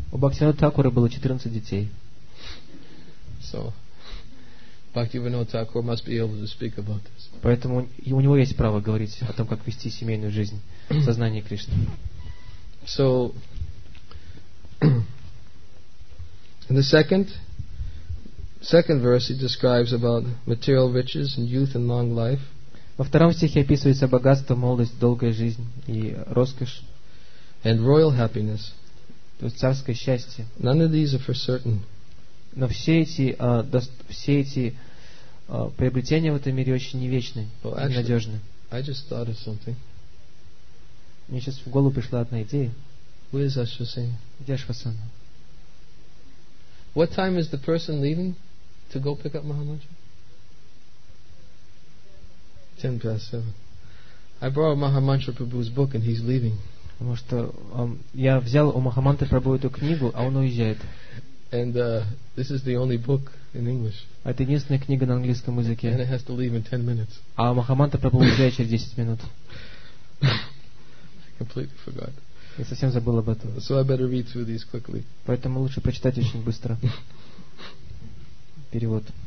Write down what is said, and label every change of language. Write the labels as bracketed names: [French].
[Russian] У Бхактивинода Такура было 14 детей. [English] So, Bhaktivinoda Thakur must be able to speak about this. [Russian] Поэтому у него есть право говорить о том, как вести семейную жизнь в сознании Кришны. [English] So, in the second verse, he describes about material riches and youth and long life. [Russian] Во втором стихе описывается богатство, молодость, долгая жизнь и роскошь. [English] And royal happiness. [Russian] То есть царское счастье. [English] None of these are for certain. [Russian] Но все эти приобретения в этом мире очень невечны, ненадежны. [English] I just thought of something. [Russian] Мне сейчас в голову пришла одна идея. [English] Where is Ашвасана? [Russian] Где Ашвасана? [English] What time is the person leaving to go pick up Mahamantra? 7:10. I borrowed Mahamantra Prabhu's book and he's leaving. [Russian] Потому что я взял у Махамантры Прабху эту книгу, а он уезжает. [English] And this is the only book in English. [Russian] Это единственная книга на английском языке. [English] And it has to leave in 10 minutes. [Russian] А Махамантра Прабху уезжает через 10 минут. [English] I completely forgot. [Russian] Я совсем забыл об этом. [English] So I better read through these quickly. [Russian] Поэтому лучше прочитать очень быстро. Перевод.